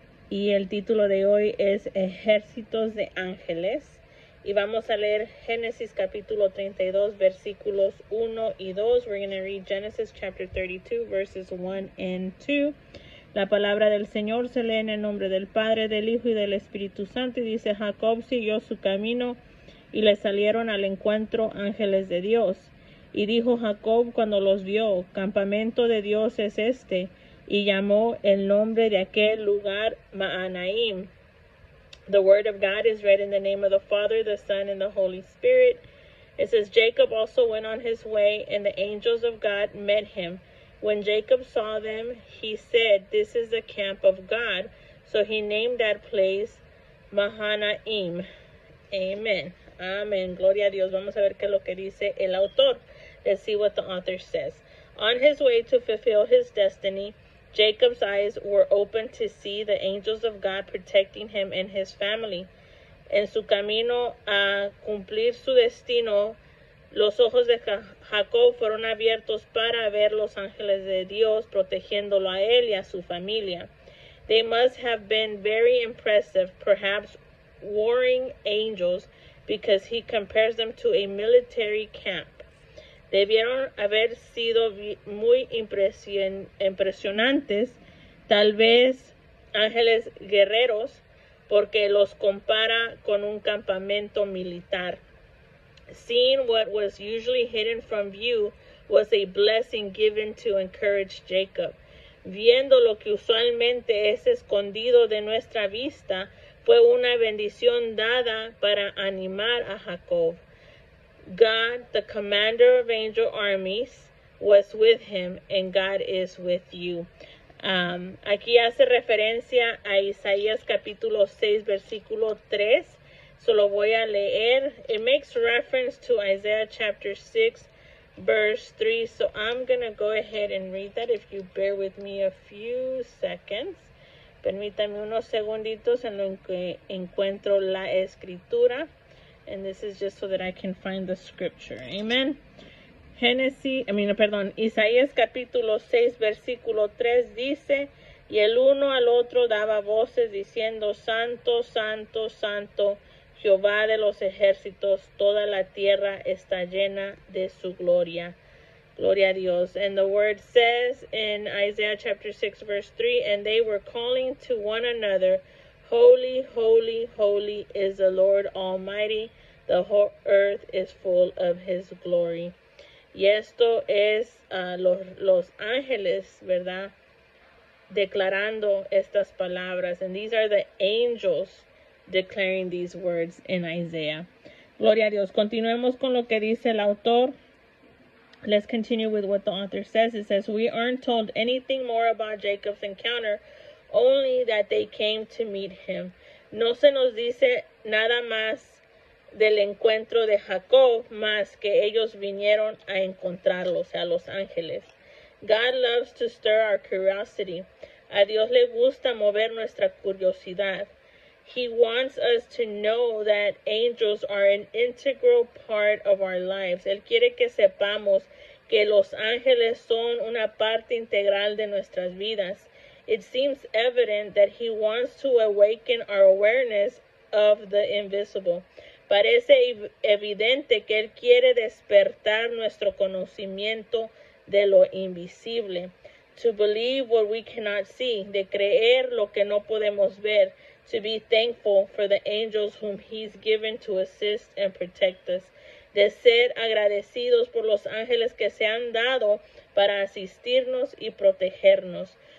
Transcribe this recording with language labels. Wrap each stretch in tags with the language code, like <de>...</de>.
<es>Y el título de hoy es Ejércitos de Ángeles. Y vamos a leer Génesis capítulo 32, versículos 1 y 2.</es> <en>We're going to read Genesis chapter 32, verses 1 and 2.</en> <es>La palabra del Señor se lee en el nombre del Padre, del Hijo y del Espíritu Santo. Y dice, Jacob siguió su camino y le salieron al encuentro ángeles de Dios. Y dijo Jacob cuando los vio, campamento de Dios es este. Y llamó el nombre de aquel lugar Mahanaim.</es> <en>The word of God is read in the name of the Father, the Son, and the Holy Spirit. It says, Jacob also went on his way, and the angels of God met him. When Jacob saw them, he said, this is the camp of God. So he named that place Mahanaim. Amen. Amen.</en> <es>Gloria a Dios. Vamos a ver qué es lo que dice el autor.</es> <en>Let's see what the author says. On his way to fulfill his destiny, Jacob's eyes were open to see the angels of God protecting him and his family.</en> <es>En su camino a cumplir su destino, los ojos de Jacob fueron abiertos para ver los ángeles de Dios protegiéndolo a él y a su familia.</es> <en>They must have been very impressive, perhaps warring angels, because he compares them to a military camp.</en> <es>Debieron haber sido muy impresionantes, tal vez ángeles guerreros, porque los compara con un campamento militar.</es> <en>Seeing what was usually hidden from view was a blessing given to encourage Jacob.</en> <es>Viendo lo que usualmente es escondido de nuestra vista fue una bendición dada para animar a Jacob.</es> <en>God, the commander of angel armies, was with him, and God is with you.</en> <es>Aquí hace referencia a Isaías capítulo 6, versículo 3. Solo voy a leer.</es> <en>It makes reference to Isaiah chapter 6, verse 3. So I'm going to go ahead and read that if you bear with me a few seconds.</en> <es>Permítame unos segunditos en lo que encuentro la escritura.</es> <en>And this is just so that I can find the scripture. Amen.</en> <es>Isaías capítulo 6, versículo 3 dice, y el uno al otro daba voces diciendo, Santo, Santo, Santo, Jehová de los ejércitos, toda la tierra está llena de su gloria. Gloria a Dios.</es> <en>And the word says in Isaiah chapter 6, verse 3, and they were calling to one another, Holy, holy, holy is the Lord Almighty. The whole earth is full of his glory.</en> <es>Y esto es los ángeles, ¿verdad? Declarando estas palabras.</es> <en>And these are the angels declaring these words in Isaiah.</en> <es>Gloria a Dios. Continuemos con lo que dice el autor.</es> <en>Let's continue with what the author says. It says, we aren't told anything more about Jacob's encounter, only that they came to meet him.</en> <es>No se nos dice nada más del encuentro de Jacob, más que ellos vinieron a encontrarlo, o sea, los ángeles.</es> <en>God loves to stir our curiosity.</en> <es>A Dios le gusta mover nuestra curiosidad.</es> <en>He wants us to know that angels are an integral part of our lives.</en> <es>Él quiere que sepamos que los ángeles son una parte integral de nuestras vidas.</es> <en>It seems evident that he wants to awaken our awareness of the invisible.</en> <es>Parece evidente que él quiere despertar nuestro conocimiento de lo invisible.</es> <en>To believe what we cannot see,</en> <es>de creer lo que no podemos ver.</es> <en>To be thankful for the angels whom he's given to assist and protect us.</en> <es>De ser agradecidos por los ángeles que se han dado para asistirnos y protegernos.</es>